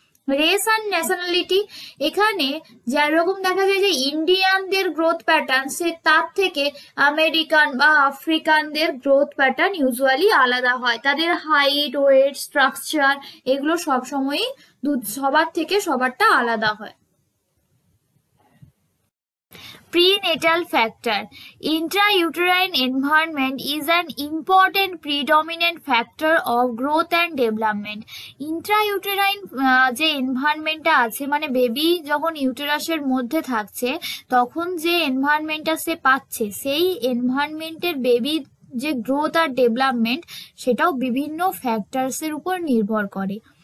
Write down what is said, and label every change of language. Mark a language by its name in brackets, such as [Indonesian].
[Bangla] Race আর nationality এখানে যেরকম দেখা যায় যে ইন্ডিয়ানদের গ্রোথ প্যাটার্ন সে তার থেকে আমেরিকান বা আফ্রিকানদের গ্রোথ প্যাটার্ন ইউজুয়ালি আলাদা হয়। তাদের হাইট, ওয়েট, স্ট্রাকচার এগুলো সবসময়ই সবার থেকে সবারটা আলাদা হয়। [English] Prenatal factor. Intrauterine environment is an important predominant factor of growth and development. [Bangla] Intrauterine যে এনভায়রনমেন্টটা আছে মানে বেবি যখন ইউটেরাসের মধ্যে থাকছে তখন যে এনভায়রনমেন্টটা সে পাচ্ছে সেই এনভায়রনমেন্টের বেবি যে গ্রোথ আর ডেভেলপমেন্ট সেটাও বিভিন্ন ফ্যাক্টরসের উপর নির্ভর করে।